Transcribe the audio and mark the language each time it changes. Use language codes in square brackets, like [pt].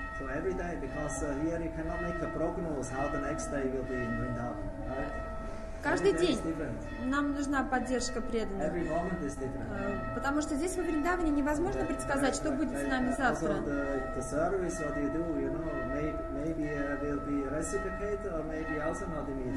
[en] So every day, because here you cannot make a prognosis how the next day will be in Vrindavan, right? [ru] Каждый день нам нужна поддержка преданных. Потому что здесь во Вриндаване невозможно предсказать, что будет с нами завтра. [en] The service, what you do, you know, maybe will be reciprocated, or maybe also not immediately.